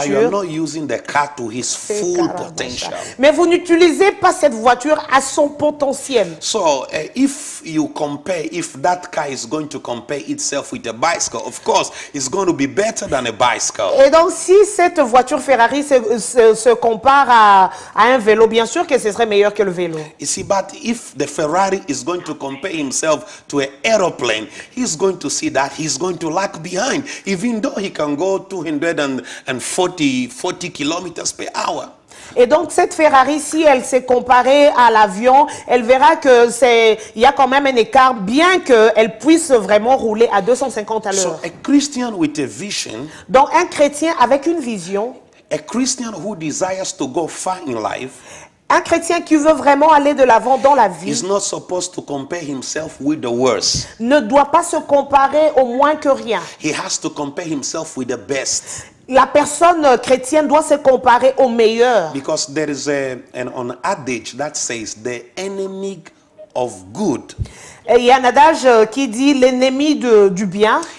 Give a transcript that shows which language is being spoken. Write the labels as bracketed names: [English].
[English] But you're not using the car to his full potential. [French] Mais vous n'utilisez pas cette voiture à son potentiel. [English] So, if that car is going to compare itself with a bicycle, of course, it's going to be better than a bicycle. [French] Et donc, si cette voiture Ferrari se compare à un vélo, bien sûr que ce serait meilleur que le vélo. [English] You see, but if the Ferrari is going to compare himself to an aeroplane, he's going to see that he's going to lag behind, even though he can go to 140 kilometers per hour. [French] Et donc cette Ferrari, si elle s'est comparée à l'avion, elle verra que c'est il y a quand même un écart, bien que elle puisse vraiment rouler à 250 à l'heure. [English] So, a Christian with a vision, [French] donc un chrétien avec une vision, [English] a Christian who desires to go far in life, [French] un chrétien qui veut vraiment aller de l'avant dans la vie, [English] is not supposed to compare himself with the worst. [French] Ne doit pas se comparer au moins que rien. [English] He has to compare himself with the best. [French] La personne chrétienne doit se comparer au meilleur. [English] Because there is an adage that says the enemy of good. [French] Il y a un adage qui dit l'ennemi du bien.